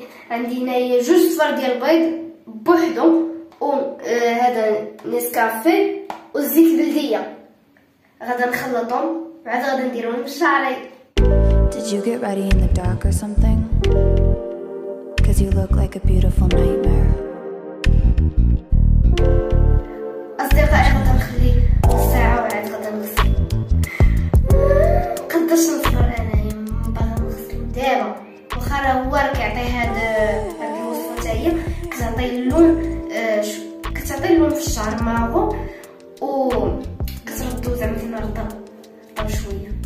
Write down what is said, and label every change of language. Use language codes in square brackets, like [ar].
[ar] عندي هنايا جوج صفار ديال البيض بوحدهم وهذا نسكافيه والزيت البلديه. غادي نخلطهم وعاد غادي نديرهم بشعري. [en] Did you get ready in the dark or something? Cause you look like a beautiful nightmare. [ar] أصدقائي غادي نخلي الساعة وعاد غادي نغسل. قداش نصبر أنا يما باغا نغسل دابا وخا راه هو راه كيعطي هاد الوصفة تاهي كتعطي اللون كتعطي اللون في الشعر مراغو و كتردو زعما فين رطب رطب شوية.